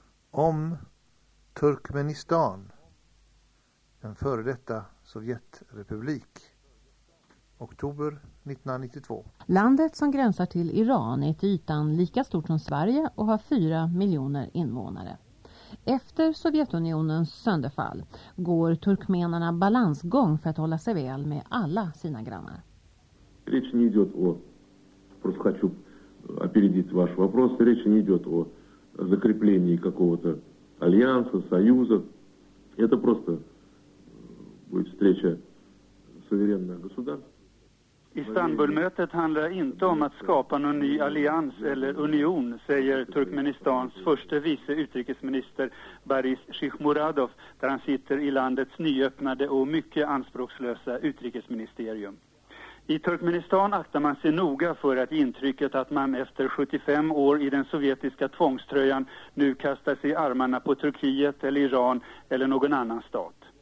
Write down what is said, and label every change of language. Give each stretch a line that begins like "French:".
Swedish: Om Turkmenistan, en före detta sovjetrepublik, oktober 1992. Landet som gränsar till Iran är till ytan lika stort som Sverige och har 4 miljoner invånare. Efter Sovjetunionens sönderfall går turkmenarna balansgång för att hålla sig väl med alla sina grannar.
Russian: Речь не идет о, просто хочу опередить ваш вопрос, речь не идет о закреплении какого-то альянса, союза. Это просто будет встреча суверенных государств.
Swedish: Istanbulmötet handlar inte om att skapa någon ny allians eller union, säger Turkmenistans första vice utrikesminister Boris Shikhmuradov, där han sitter i landets nyöppnade och mycket anspråkslösa utrikesministerium. I Turkmenistan aktar man sig noga för att intrycket att man efter 75 år i den sovjetiska tvångströjan nu kastar sig armarna på Turkiet eller Iran eller någon annan stat.